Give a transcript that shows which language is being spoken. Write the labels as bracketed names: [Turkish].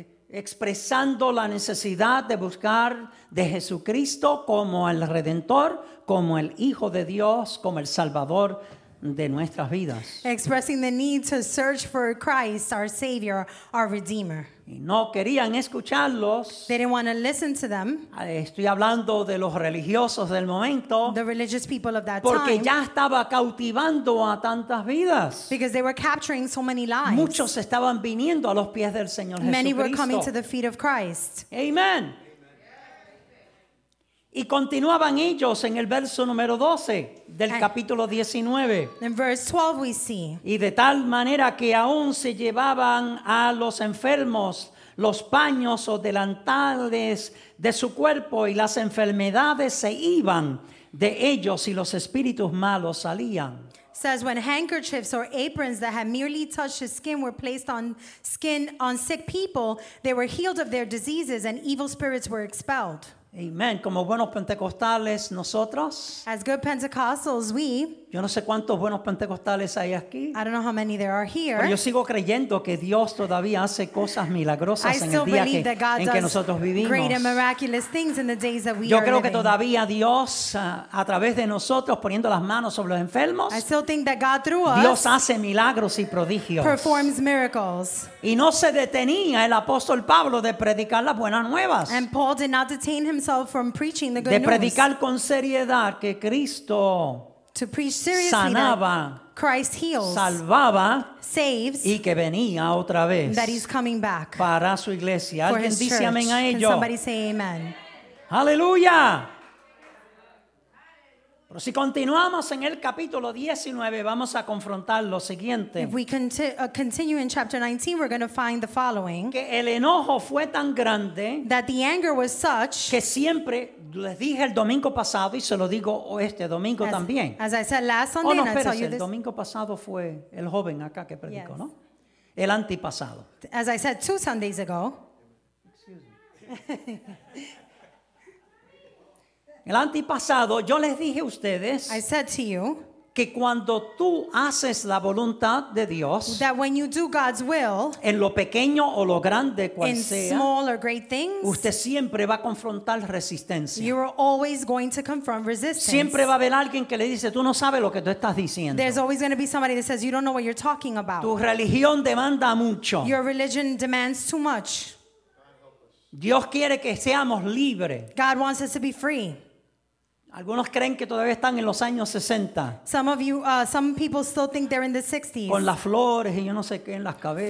[Spanish] Expresando la necesidad de buscar de Jesucristo como el Redentor, como el Hijo de Dios, como el Salvador de nuestras vidas. [English] Expressing the need to search for Christ, our Savior, our Redeemer. [Spanish] Y no querían escucharlos. [English] They didn't want to listen to them. [Spanish] Estoy hablando de los religiosos del momento. [English] The religious people of that time. [Spanish] Porque ya estaba cautivando a tantas vidas. [English] Because they were capturing so many lives. [Spanish] Muchos estaban viniendo a los pies del Señor Jesucristo. [English] Many were coming to the feet of Christ. Amen. [Spanish] Y continuaban ellos en el verso número 12 del capítulo 19. [English] In verse 12 we see. [Spanish] Y de tal manera que aún se llevaban a los enfermos los paños o delantales de su cuerpo y las enfermedades se iban de ellos y los espíritus malos salían. [English] Says when handkerchiefs or aprons that had merely touched his skin were placed on skin on sick people, they were healed of their diseases and evil spirits were expelled. [Spanish] Amen. Como buenos pentecostales nosotros. [English] As good Pentecostals, we. [Spanish] Yo no sé cuántos buenos pentecostales hay aquí. [English] I don't know how many there are here. [Spanish] Pero yo sigo creyendo que Dios todavía hace cosas milagrosas en el día que nosotros vivimos. [English] Great and miraculous things in the days that we [Spanish] yo [English] are [Spanish] Yo creo [English] living. [Spanish] Que todavía Dios a través de nosotros poniendo las manos sobre los enfermos. [English] I still think that God through us. [Spanish] Dios hace milagros y prodigios. [English] Performs miracles. [Spanish] Y no se detenía el apóstol Pablo de predicar las buenas nuevas. [English] And Paul did not detain himself from preaching the good news. [Spanish] De predicar con seriedad que Cristo [English] to preach seriously [Spanish] sanaba, [English] that Christ heals, [Spanish] salvaba, [English] saves, [Spanish] y que venía otra vez [English] that he's coming back [Spanish] para su iglesia. [English] For his church. [Spanish] Amen a ello. [English] Can somebody say amen? Hallelujah! [Spanish] Pero si continuamos en el capítulo 19, vamos a confrontar lo siguiente. [English] If we continue in chapter 19, we're going to find the following. [Spanish] Que el enojo fue tan grande [English] that the anger was such [Spanish] que siempre les dije el domingo pasado y se lo digo este domingo también. [English] As I said last Sunday, oh, no, and I tell you [Spanish] el [English] this. [Spanish] El domingo pasado fue el joven acá que predicó, yes. ¿No? El antepasado. [English] As I said 2 Sundays ago. [Spanish] El antepasado, yo les dije a ustedes. [English] I said to you. [Spanish] Que cuando tú haces la voluntad de Dios. [English] That when you do God's will. [Spanish] En lo pequeño o lo grande cual [English] in [Spanish] sea. [English] In small or great things. [Spanish] Usted siempre va a confrontar resistencia. [English] You are always going to confront resistance. [Spanish] Siempre va a haber alguien que le dice tú no sabes lo que tú estás diciendo. [English] There's always going to be somebody that says you don't know what you're talking about. [Spanish] Tu religión demanda mucho. [English] Your religion demands too much. [Spanish] Dios quiere que seamos libres. [English] God wants us to be free. [Spanish] Algunos creen que todavía están en los años 60. [English] Some of you, some people still think they're in the 60s. [Spanish] Con las flores y yo no sé qué en las cabezas.